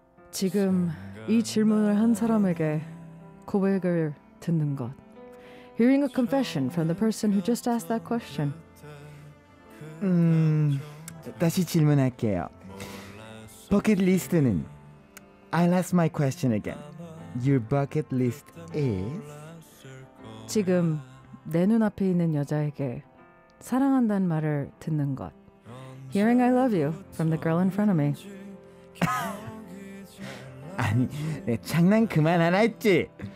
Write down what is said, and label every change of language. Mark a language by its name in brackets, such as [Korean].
[Korean] 지금 이 질문을 한 사람에게 고백을 듣는 것. [English] Hearing a confession from the person who just asked that question. [Korean] 다시 질문할게요. [English] Bucket list는 I'll ask my question again. Your bucket list is? [Korean] 지금 내 눈앞에 있는 여자에게 사랑한다는 말을 듣는 것. [English] Hearing I love you from the girl in front of me. [Korean] 아니, 내 장난 그만 안 할지.